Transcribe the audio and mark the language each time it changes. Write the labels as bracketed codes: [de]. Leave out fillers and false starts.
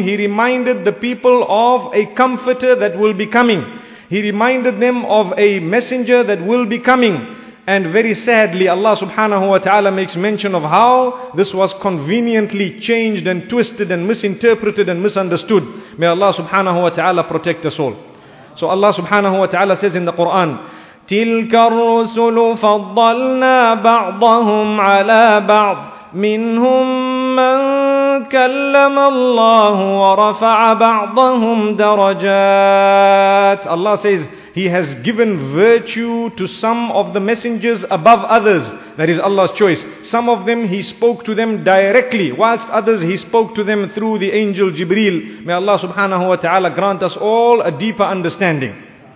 [en] He reminded the people of a comforter that will be coming. He reminded them of a messenger that will be coming. And very sadly, Allah subhanahu wa ta'ala makes mention of how this was conveniently changed and twisted and misinterpreted and misunderstood. May Allah subhanahu wa ta'ala protect us all. So Allah subhanahu wa ta'ala says in the Quran, [ar] تِلْكَ الرُّسُلُ فَضَّلْنَا بَعْضَهُمْ عَلَىٰ بَعْضٍ مِّنْهُمْ مَنْ كَلَّمَ اللَّهُ وَرَفَعَ بَعْضَهُمْ دَرَجَاتٍ. [en] Allah says, He has given virtue to some of the messengers above others. That is Allah's choice. Some of them He spoke to them directly, whilst others He spoke to them through the angel Jibreel. May Allah subhanahu wa ta'ala grant us all a deeper understanding.